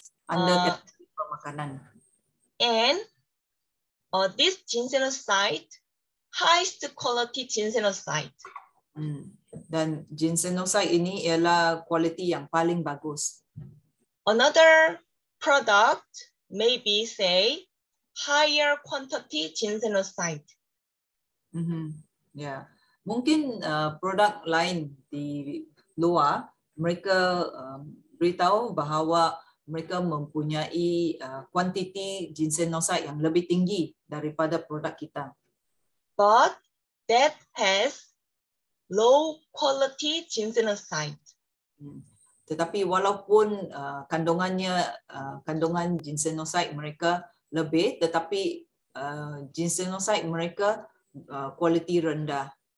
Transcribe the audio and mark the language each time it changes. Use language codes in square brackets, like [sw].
[ms] Under kategori pemakanan. [en] And this ginsenoside highest quality ginseng oxide. [ms] Dan ginseng oxide ini ialah kualiti yang paling bagus. [en] Another product may be, say, higher quantity ginseng oxide. [ms] Mungkin produk lain di luar, mereka beritahu bahawa mereka mempunyai kuantiti ginseng oxide yang lebih tinggi daripada produk kita. [en] But that has low quality ginseng oxide. [ms] Tetapi walaupun kandungan ginseng oxide mereka lebih, tetapi ginseng oxide mereka kualiti rendah.